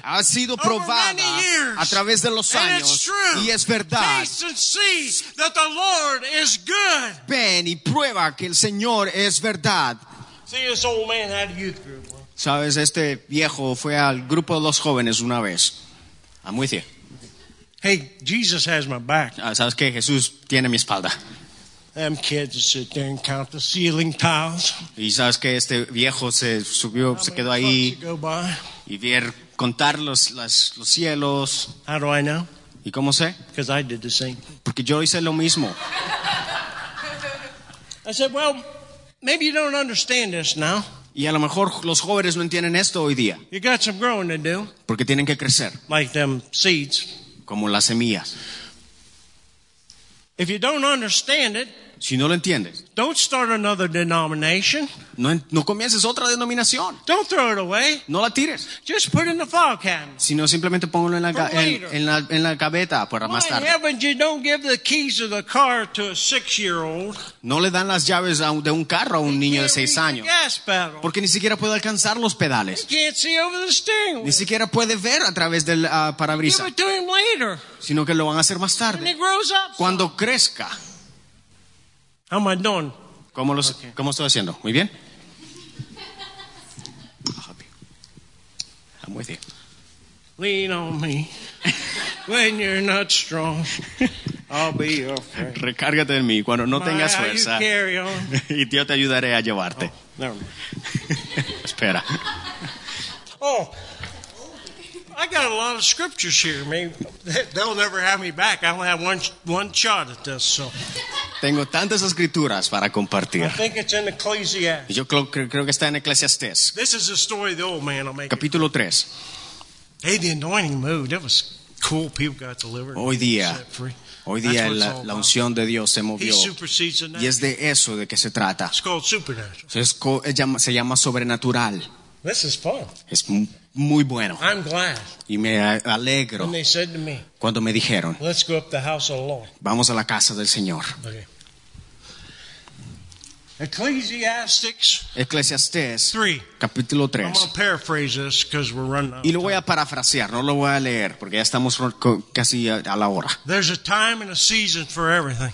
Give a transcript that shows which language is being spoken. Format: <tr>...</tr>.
<es>Ha sido probada a través de los años.</es> <en>And it's true.</en> <es>Y es verdad.</es> <en>Taste and see that the Lord is good.</en> <es>Ven y prueba que el Señor es verdad.</es> <en>See, this old man had a youth group.</en> <es>Sabes, este viejo fue al grupo de los jóvenes una vez.</es> <en>I'm with you. Hey, Jesus has my back.</en> <es>Sabes que Jesús tiene mi espalda.</es> <en>Them kids sit there and count the ceiling tiles.</en> <es>Y sabes que este viejo se subió,</es> <en>how</en> <es>se quedó ahí.</es> <en>Go by?</en> <es>Y ver contar los cielos.</es> <en>How do I know?</en> <es>¿Y cómo sé?</es> <en>Because I did the same.</en> <es>Porque yo hice lo mismo.</es> <en>I said, well, maybe you don't understand this now.</en> <es>Y a lo mejor los jóvenes no entienden esto hoy día.</es> <en>You got some growing to do.</en> <es>Porque tienen que crecer.</es> <en>Like them seeds.</en> <es>Como las semillas.</es> <en>If you don't understand it,</en> <es>si no lo entiendes,</es> <en>don't start another denomination.</en> <es>No comiences otra denominación.</es> <en>Don't throw it away.</en> <es>No la tires.</es> <en>Just put it in the file cabinet.</en> <es>Sino simplemente póngalo en la gaveta para</es> <en>my</en> <es>más tarde.</es> <en>Heavens, you don't give the keys of the car to a 6-year-old.</en> <es>No le dan las llaves de un carro a un niño de 6 años.</es> <en>Gas pedal.</en> <es>Porque ni siquiera puede alcanzar los pedales.</es> <en>He can't see over the steering wheel.</en> <es>Ni siquiera puede ver a través del parabrisas.</es> <en>Give it to him later.</en> <es>Sino que lo van a hacer más tarde.</es> <en>When he grows up.</en> <es>Cuando crezca.</es> <en>How am I doing?</en> <es>¿Cómo estoy haciendo? Muy bien.</es> <en>I'm with you. Lean on me. When you're not strong, I'll be your friend.</en> <es>Recárgate en mí cuando no tengas fuerza.</es> <en>You carry on.</en> <es>Y yo te ayudaré a llevarte.</es> <en>Oh, never mind.</en> <es>Espera.</es> <en>Oh, I got a lot of scriptures here. Maybe they'll never have me back. I only have one shot at this, so.</en> <es>Tengo tantas escrituras para compartir.</es> <en>I think it's in Ecclesiastes.</en> <es>Yo creo que está en Ecclesiastes.</es> <en>This is the story of the old man. I'll make</en> <es>capítulo 3.</es> <en>Hey, the anointing moved. That was cool. People got delivered.</en> <es>Hoy día la unción de Dios se movió.</es> <en>He supersedes the natural.</en> <es>Y es de eso de que se trata.</es> <en>It's called supernatural.</en> <es>Se llama sobrenatural.</es> <en>This is fun.</en> <es>Es muy bueno.</es> <en>I'm glad.</en> <es>Y me alegro.</es> <en>When they said to me,</en> <es>cuando me dijeron,</es> <en>let's go up the house of the Lord.</en> <es>Vamos a la casa del Señor.</es> <en>Okay. Ecclesiastes 3.</en> <es>Capítulo 3.</es> <en>I'm going to paraphrase this because we're running out.</en> <es>Y lo voy a parafrasear, no lo voy a leer porque ya estamos casi a la hora.</es> <en>There's a time and a season for everything.</en>